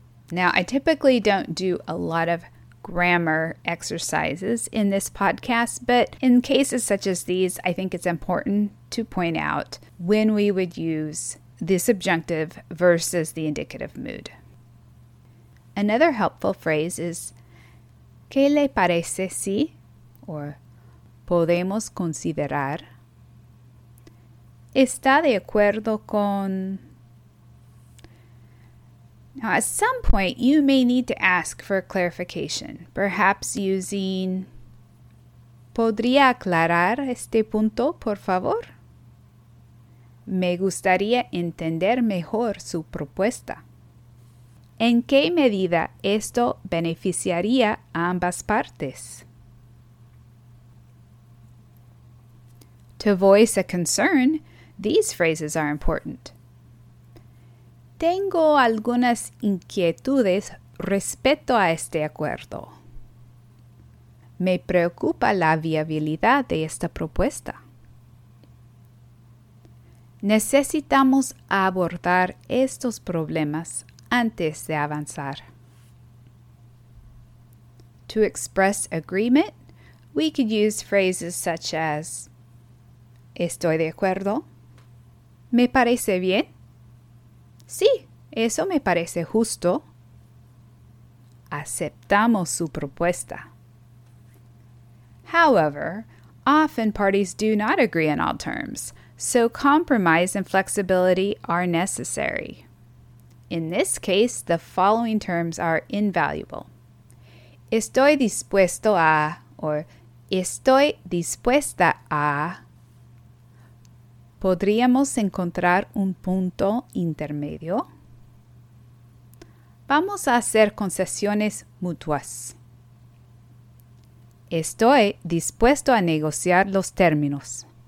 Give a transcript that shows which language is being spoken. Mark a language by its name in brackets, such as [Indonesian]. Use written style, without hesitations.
[English] Now, I typically don't do a lot of grammar exercises in this podcast, but in cases such as these, I think it's important to point out when we would use the subjunctive versus the indicative mood. Another helpful phrase is, [Spanish] ¿Qué le parece si? Or, ¿Podemos considerar? ¿Está de acuerdo con? [English] Now, at some point, you may need to ask for clarification, perhaps using, [Spanish] ¿Podría aclarar este punto, por favor? Me gustaría entender mejor su propuesta. ¿En qué medida esto beneficiaría a ambas partes? [English] To voice a concern, these phrases are important. [Spanish] Tengo algunas inquietudes respecto a este acuerdo. Me preocupa la viabilidad de esta propuesta. Necesitamos abordar estos problemas antes de avanzar. [English] To express agreement, we could use phrases such as [Spanish] Estoy de acuerdo. Me parece bien. Sí, eso me parece justo. Aceptamos su propuesta. [English] However, often parties do not agree on all terms, so compromise and flexibility are necessary. In this case, the following terms are invaluable. [Spanish] Estoy dispuesto a, or estoy dispuesta a, ¿Podríamos encontrar un punto intermedio? Vamos a hacer concesiones mutuas. Estoy dispuesto a negociar los términos.